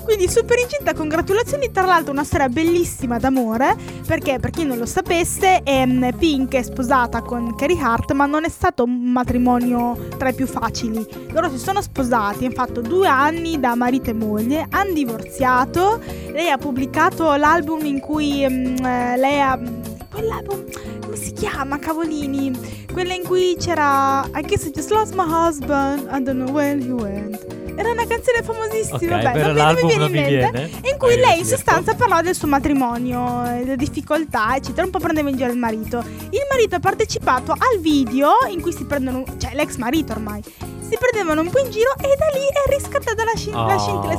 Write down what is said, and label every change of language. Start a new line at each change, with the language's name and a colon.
Italian: Quindi super incinta, congratulazioni. Tra l'altro una storia bellissima d'amore, perché per chi non lo sapesse, Pink è sposata con Carrie Hart, ma non è stato un matrimonio tra i più facili. Loro si sono sposati, hanno fatto 2 anni da marito e moglie, hanno divorziato. Lei ha pubblicato l'album in cui lei ha... quell'album... come si chiama, cavolini? Quella in cui c'era
English: I guess I just lost my husband, I don't know where he went.
Italian: Era una canzone famosissima, okay, vabbè, non mi viene in mente. In cui lei in sostanza parlava del suo matrimonio, delle difficoltà, eccetera. Un po' prendeva in giro il marito. Il marito ha partecipato al video in cui si prendono, cioè l'ex marito ormai, si prendevano un po' in giro, e da lì è riscattata la scintilla.